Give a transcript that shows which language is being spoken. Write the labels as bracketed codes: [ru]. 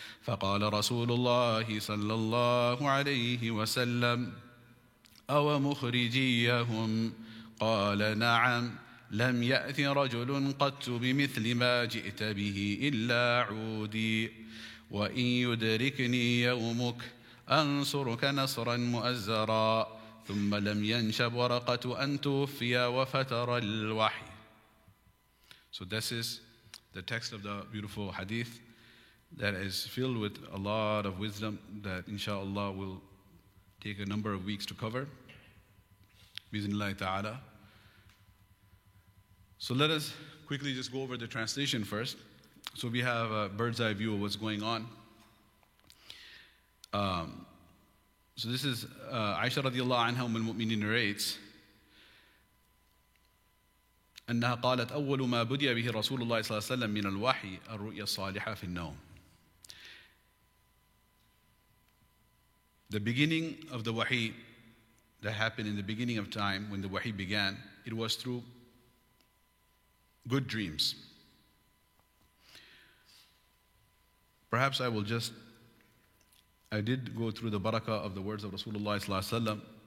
[ar] فقال رسول الله صلى الله عليه وسلم: أو مخرجيهم؟ قال: نعم، لم يأت رجل قط بمثل ما جئت به إلا عودي، وإن يدركني يومك أنصرك نصرا مؤزرا. ثم لم ينشب ورقة أن توفي وفتر الوحي. [en] So this is the text of the beautiful hadith that is filled with a lot of wisdom that inshallah will take a number of weeks to cover. Bismillah ta'ala. So let us quickly just go over the translation first. So we have a bird's eye view of what's going on. So this is Aisha radiallahu anha, Umm al-Mu'mineen, narrates. [ar] أنها قالت أول ما بدي به رسول الله صلى الله عليه وسلم من الوحي الرؤيا الصالحة في النوم. [en] The beginning of the wahi that happened in the beginning of time, when the wahi began, it was through good dreams. Perhaps I did go through the barakah of the words of Rasulullah [ar] صلى الله عليه وسلم.